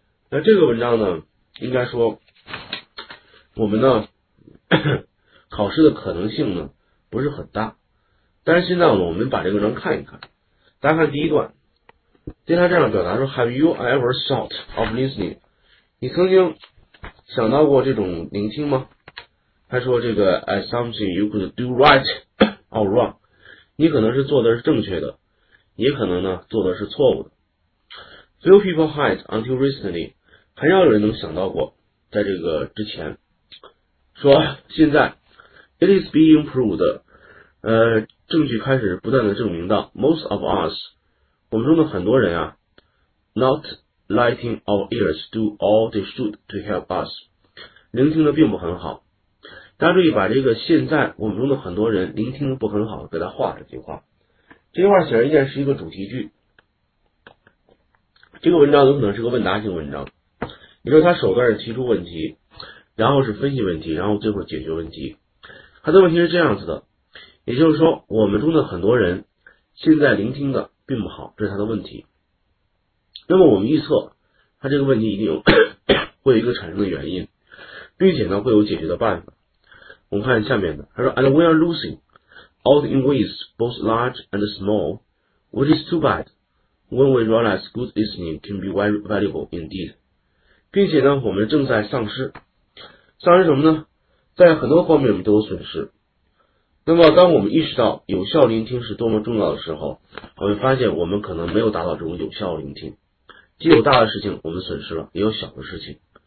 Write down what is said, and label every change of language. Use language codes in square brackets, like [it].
[zh] 那这个文章呢，应该说我们呢考试的可能性呢不是很大。但是现在呢，我们把这个章看一看。大家看第一段，接下来这样表达说： [en] “Have you ever thought of listening？” [zh] 你曾经想到过这种聆听吗？他说：“这个 [en] as something you could do right or wrong。 [zh] ”你可能是做的是正确的，也可能呢做的是错误的。 [en] Few people had until recently， [zh] 很少有人能想到过，在这个之前。说现在， [en] it is being proved。 [zh] 证据开始不断的证明到， [en] most of us， [zh] 我们中的很多人啊， [en] not letting our ears do all they should to help us， [zh] 聆听的并不很好。大家注意把这个"现在我们中的很多人聆听的不很好"给它画上句话，这句话显而易见是一个主题句。这个文章有可能是个问答性文章，你说他首段是提出问题，然后是分析问题，然后最后解决问题。他的问题是这样子的。也就是说，我们中的很多人现在聆听的并不好，这是他的问题。那么我们预测他这个问题一定有 会有一个产生的原因，并且呢会有解决的办法。我们看下面的，他说 [en] "And we are losing out in ways both large and small, which is too bad. When we realize good listening can be very valuable indeed." [zh] 并且呢，我们正在丧失什么呢？在很多方面我们都有损失。那么，当我们意识到有效聆听是多么重要的时候，我会发现我们可能没有达到这种有效聆听。既有大的事情我们损失了，也有小的事情。